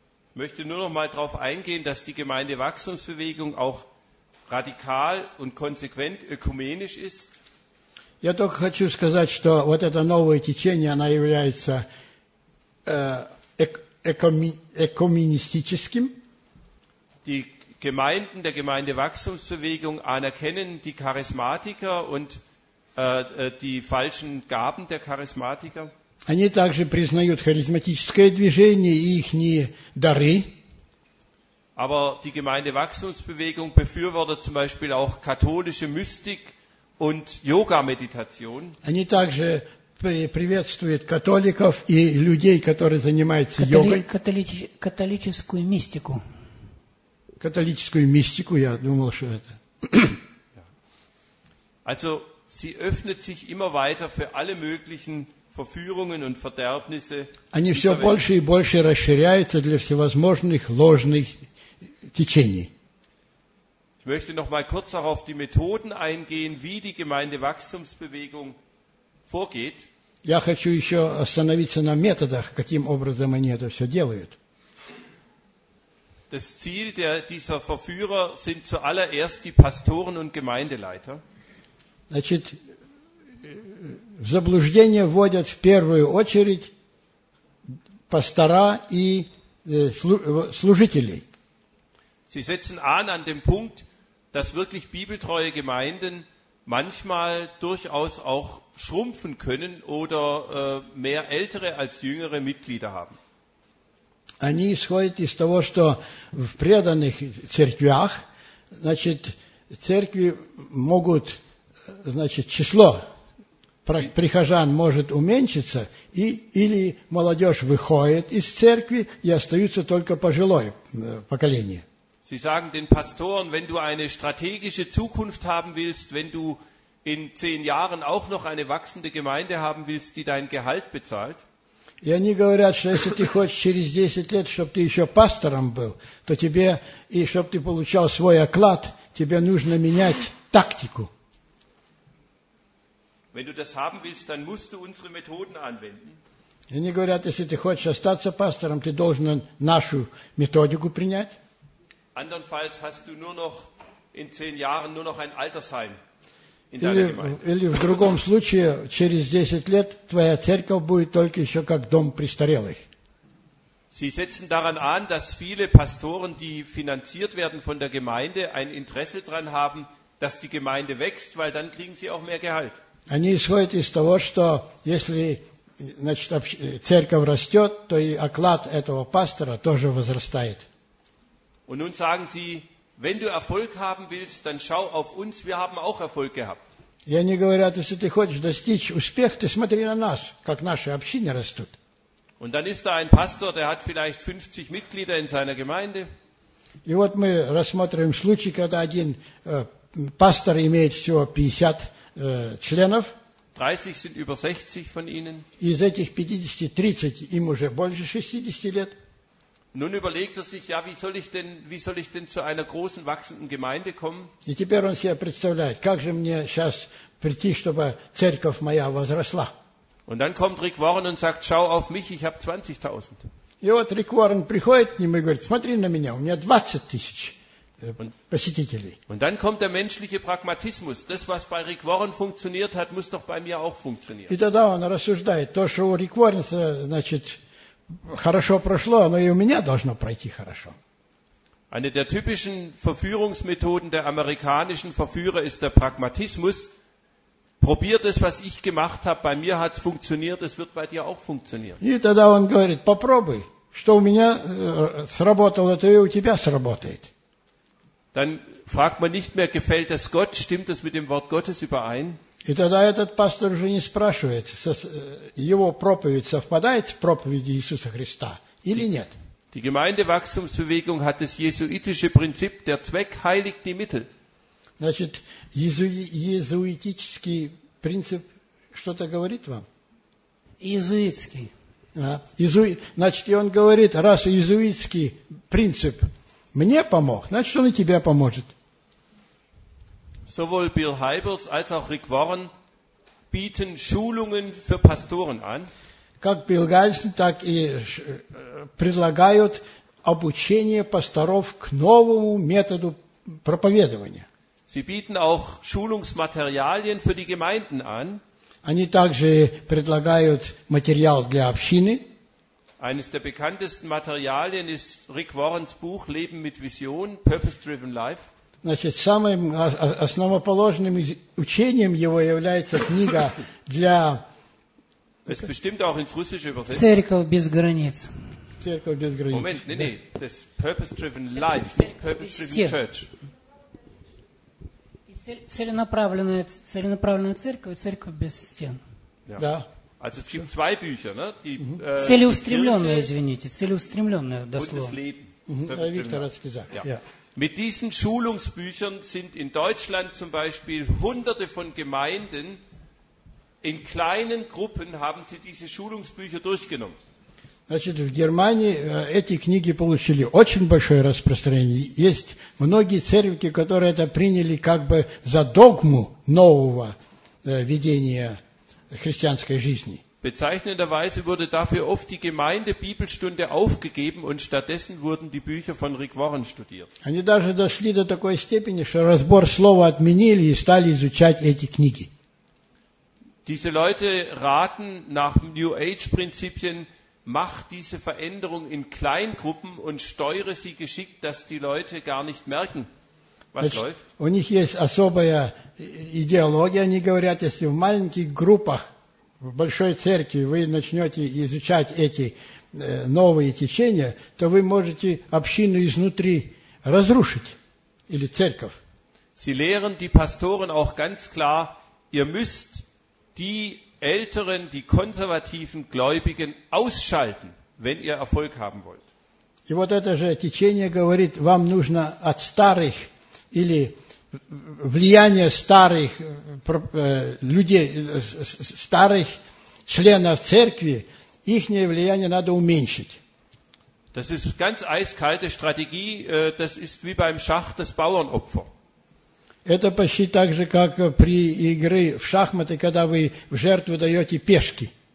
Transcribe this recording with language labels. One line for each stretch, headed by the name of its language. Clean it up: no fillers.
German: Ich möchte nur noch mal darauf eingehen, dass die Gemeindewachstumsbewegung auch radikal und konsequent ökumenisch ist.
Russian: Я только хочу сказать, что вот это новое течение, оно является экуменистическим.
German: Die Gemeinden der Gemeindewachstumsbewegung anerkennen die Charismatiker und die falschen Gaben der Charismatiker.
Russian: Они также признают харизматическое движение и их дары.
German: Aber die Gemeindewachstumsbewegung befürwortet zum Beispiel auch katholische Mystik und Yoga-Meditation.
Russian: Они также приветствуют католиков и людей, которые занимаются йогой. Католическую мистику. Католическую мистику, я думал, что это.
German: Also, sie öffnet sich immer weiter für alle möglichen Verführungen und Verderbnisse.
Russian: Они все больше и больше расширяются для всевозможных ложных течений.
German: Ich möchte noch mal kurz auch auf die Methoden eingehen, wie die Gemeindewachstumsbewegung vorgeht.
Russian: Я хочу еще остановиться на методах, каким образом они это все делают.
German: Das Ziel dieser Verführer sind zuallererst die Pastoren und Gemeindeleiter.
Russian: Значит, в заблуждение вводят в первую очередь пастора и служителей.
German: Sie setzen an dem Punkt, dass wirklich bibeltreue Gemeinden manchmal durchaus auch schrumpfen können oder mehr ältere als jüngere Mitglieder haben.
Russian: Они исходят из того, что в преданных церквях, значит, церкви могут, значит, число прихожан может уменьшиться, и, или молодежь выходит из церкви и остаются только пожилое поколение.
German: Sie sagen den Pastoren, wenn du eine strategische Zukunft haben willst, wenn du in 10 Jahren auch noch eine wachsende Gemeinde haben willst, die dein Gehalt bezahlt,
Russian: и они говорят, что если ты хочешь через 10 лет, чтобы ты еще пастором был, то тебе, и чтобы ты получал свой оклад, тебе нужно менять тактику.
German: Wenn du das haben willst, dann musst du unsere Methoden anwenden.
Russian: И они говорят, если ты хочешь остаться пастором, ты должен нашу методику принять.
German: Andernfalls hast du nur noch in 10 Jahren nur noch ein Altersheim.
Russian: Или в другом случае, через 10 лет твоя церковь будет только еще как дом престарелых.
German: Sie setzen daran an, dass viele Pastoren, die finanziert werden von der Gemeinde, ein Interesse daran haben, dass die Gemeinde wächst, weil dann kriegen sie auch mehr Gehalt.
Russian: Они исходят из того, что если, значит, церковь растет, то и оклад этого пастора тоже возрастает.
German: Und nun sagen sie, wenn du Erfolg haben willst, dann schau auf uns, wir haben auch Erfolg gehabt.
Russian: И они говорят, если ты хочешь достичь успеха, ты смотри на нас, как наши общины растут.
German: Und dann ist da ein Pastor, der hat vielleicht 50 Mitglieder in seiner Gemeinde.
Russian: И вот мы рассматриваем случай, когда один пастор имеет всего 50 членов.
German: 30 sind über 60 von ihnen.
Russian: Из этих 50, 30 им уже больше 60 лет.
German: Nun überlegt er sich, ja, wie soll ich denn zu einer großen wachsenden Gemeinde kommen?
Russian: И теперь он себе представляет, как же мне сейчас прийти, чтобы церковь моя возросла?
German: Und dann kommt Rick Warren und sagt, schau auf mich, ich habe 20.000.
Russian: И вот Рик Уоррен приходит к нему и говорит, смотри на меня, у меня 20.000 посетителей.
German: Und dann kommt der menschliche Pragmatismus. Das, was bei Rick Warren funktioniert hat, muss doch bei mir auch funktionieren.
Russian: И тогда он рассуждает, то, что у Рик Уоррена, значит, хорошо прошло, но и у меня должно пройти хорошо.
German: Eine der typischen Verführungsmethoden der amerikanischen Verführer ist der Pragmatismus. Probier das, was ich gemacht habe, bei mir hat es funktioniert, es wird bei dir auch funktionieren.
Russian: И тогда он говорит, попробуй, что у меня сработало, то и у тебя сработает.
German: Dann fragt man nicht mehr, gefällt es Gott, stimmt es mit dem Wort Gottes überein?
Russian: И тогда этот пастор уже не спрашивает, его проповедь совпадает с проповедью Иисуса Христа или нет.
German: Die Gemeindewachstumsbewegung hat das jesuitische Prinzip, der Zweck heiligt die Mittel.
Russian: Значит, иезуитический принцип что-то говорит вам? Иезуитский. Значит, и он говорит, раз иезуитский принцип мне помог, значит, он и тебе поможет.
German: Sowohl Bill Hybels als auch Rick Warren bieten Schulungen für Pastoren an.
Russian: Как Билл Гайлсон, так и предлагают обучение пасторов к новому методу проповедования.
German: Sie bieten auch Schulungsmaterialien für die Gemeinden an.
Russian: Они также предлагают материал для общины.
German: Eines der bekanntesten Materialien ist Rick Warrens Buch Leben mit Vision, Purpose-Driven Life.
Russian: Значит, самым основоположным учением его является книга для
German: Das bestimmt auch ins Russische übersetzt.
Russian: Церковь без границ. Церковь без границ.
German: Moment, nee, nee. Das purpose-driven life, nicht purpose-driven church.
Russian: Целенаправленная церковь, церковь без стен. Yeah. Да.
German: Also es gibt zwei Bücher, ne? Die,
Russian: целеустремленная, извините, целеустремленная, дословно.
German: Виктор hat's gesagt. Ja. Mit diesen Schulungsbüchern sind in Deutschland zum Beispiel hunderte von Gemeinden in kleinen Gruppen haben sie diese Schulungsbücher durchgenommen.
Russian: Значит, в Германии эти книги получили очень большое распространение. Есть многие церкви, которые это приняли как бы за догму нового ведения христианской жизни.
German: Bezeichnenderweise wurde dafür oft die Gemeindebibelstunde aufgegeben und stattdessen wurden die Bücher von Rick Warren studiert.
Russian: Они даже дошли до такой степени, что разбор слова отменили и стали изучать эти книги.
German: Diese Leute raten nach New Age Prinzipien, mach diese Veränderung in Kleingruppen und steuere sie geschickt, dass die Leute gar nicht merken, was
Russian: значит,
German: läuft.
Russian: У них есть особая идеология, они говорят, если в маленьких группах в большой церкви вы начнете изучать эти новые течения, то вы можете общину изнутри разрушить или церковь.
German: Sie lehren die Pastoren auch ganz klar, ihr müsst die älteren, die konservativen Gläubigen ausschalten, wenn ihr Erfolg haben wollt.
Russian: И вот это же течение говорит, вам нужно от старых или влияние старых людей, старых членов церкви, их влияние надо уменьшить.
German: Das ist ganz eiskalte Strategie, das ist wie beim Schach das Bauernopfer.
Russian: Это почти так же, как при игре в шахматы, когда вы в жертву даете пешки.